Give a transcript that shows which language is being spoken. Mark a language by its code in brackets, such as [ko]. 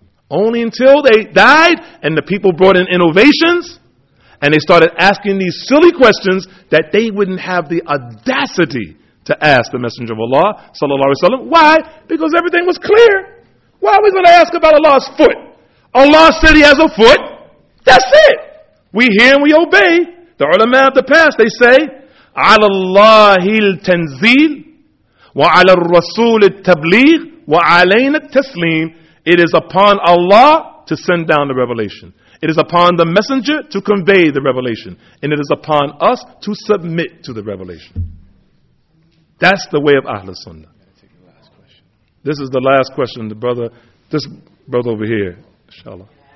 [en] Only until they died, and the people brought in innovations, and they started asking these silly questions that they wouldn't have the audacity to ask the Messenger of Allah, sallallahu alaihi wasallam. Why? Because everything was clear. Why are we going to ask about Allah's foot? Allah said He has a foot. That's it. We hear and we obey. The ulama of the past, they say, [ar] عَلَى اللَّهِ الْتَنْزِيلِ وَعَلَى الرَّسُولِ التَّبْلِيغِ وَعَلَيْنَ التَّسْلِيمِ. [en] It is upon Allah to send down the revelation. It is upon the messenger to convey the revelation. And it is upon us to submit to the revelation. That's the way of Ahl Sunnah. This is the last question, the brother, this brother over here, inshallah.